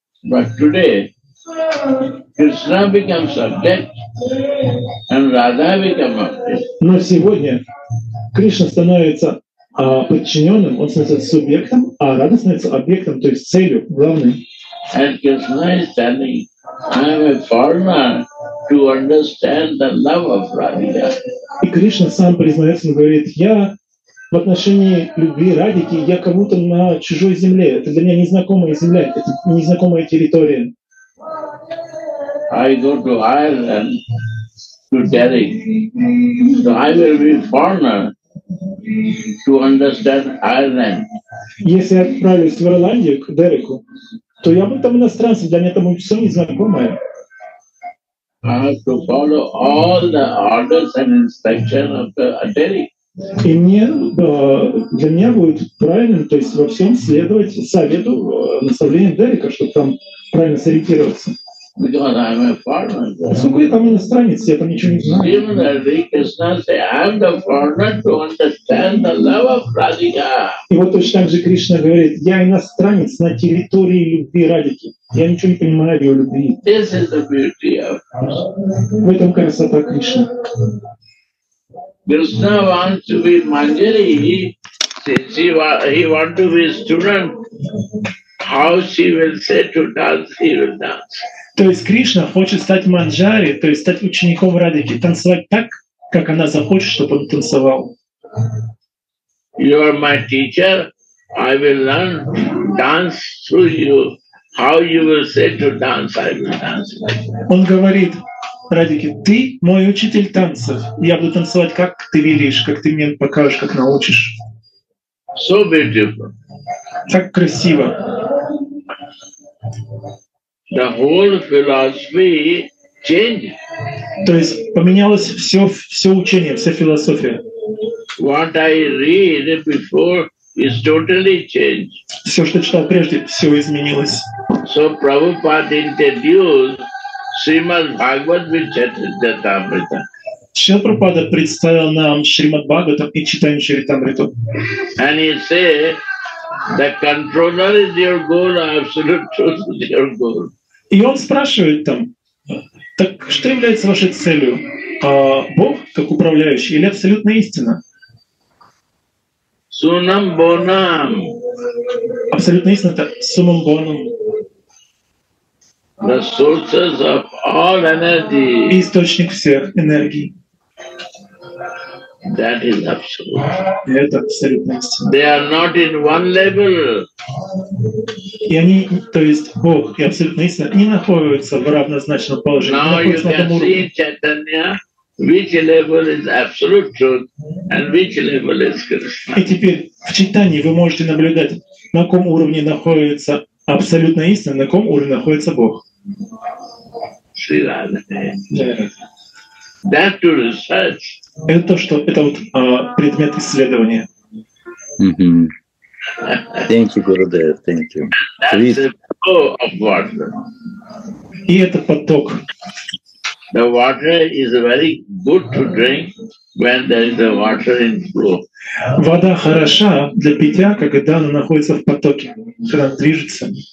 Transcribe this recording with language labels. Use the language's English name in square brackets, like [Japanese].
[English] But today Krishna becomes subject and Radha becomes object. [Russian] Но сегодня Кришна становится подчиненным, он становится субъектом, а Радха становится объектом, то есть целью, главной. [English] And Krishna is telling, I am a foreigner to understand the love of Radha. [Russian] И Кришна сам признается, он говорит, я в отношении любви Радхики, я кому-то на чужой земле, это для меня незнакомая земля, это незнакомая территория. [English] I go to Ireland, to Delhi, so I will be foreigner. To understand Ireland. [Russian] Если я отправлюсь в Ирландию, к Дереку, то я буду там иностранцем, для меня там все незнакомое. [English] To follow all the orders and instructions of the Derek. [Russian] И мне, для меня будет правильно, то есть во всем следовать совету, наставлению Дерека, чтобы там правильно сориентироваться. [English] Because I'm a foreigner. [Russian] Сколько я там иностранец, я там ничего не знаю. [English] Similarly, Krishna says, I'm the foreigner to understand the love of Radhika. [Russian] И вот точно так же Кришна говорит, я иностранец на территории любви Радхики. Я ничего не понимаю о ее любви. [English] This is the beauty of Krishna. [Russian] В этом красота Кришны. [English] Krishna wants to be Manjari. He wants to be student. How she will say to dance, he will dance. [Russian] То есть Кришна хочет стать манджари, то есть стать учеником Радхики, танцевать так, как она захочет, чтобы он танцевал. [English] You are my teacher. I will learn dance through you. How you will say to dance, I will dance. [Russian] Он говорит Радхике, ты мой учитель танцев. Я буду танцевать, как ты велишь, как ты мне покажешь, как научишь. [English] So beautiful. [Russian] Так красиво. [English] The whole philosophy changed. [Russian] То есть поменялось все учение, вся философия. [English] What I read before is totally changed. [Russian] Все, что читал прежде, все изменилось. [English] So Prabhupada introduced Srimad Bhagavatam and Charitamrita. [Russian] Шрила Прабхупада представил нам Шримад Бхагаватам и читаем Чаритамриту. [English] And he said, the controller is your goal, absolute truth is your goal. [Russian] И он спрашивает там, так что является вашей целью? Бог как управляющий или абсолютная истина? Сунам бонам. Абсолютная истина — это сумам бонам. [English] The sources of all energy. [Russian] Источник всех энергий. [English] That is absolute. [Russian] Это абсолютная истина. [English] They are not in one level. [Russian] И они, то есть Бог и абсолютная истина, не находятся в равнозначном положении. [English] Now you can see, Chaitanya, which level is absolute truth and which level is Krishna. [Russian] И теперь в читании вы можете наблюдать, на каком уровне находится абсолютная истина, на каком уровне находится Бог. [English] Шри Радхе. That to research. [Russian] Это что? Это вот предмет исследования. [English] Mm-hmm. Thank you, Gurudev. Thank you. That's the flow of water. [Russian] И это поток. [English] The water is very good to drink when there is a water in flow. [Russian] Вода хороша для питья, когда она находится в потоке, когда она движется.